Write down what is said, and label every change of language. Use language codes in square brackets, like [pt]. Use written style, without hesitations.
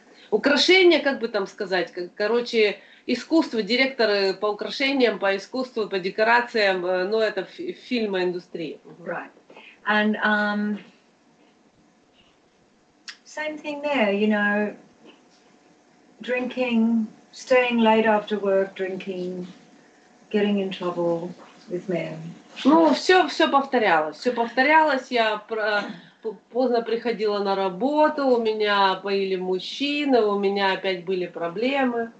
[ru] Украшения, как бы там сказать, короче, искусство, директоры по украшениям, по искусству, по декорациям, ну это фильма индустрии. [en] Right. And same thing there, you know, drinking, staying late after work, drinking, getting in trouble with men. [ru] Ну, все повторялось. Все повторялось. Я поздно приходила на работу, у меня были мужчины, у меня опять были проблемы.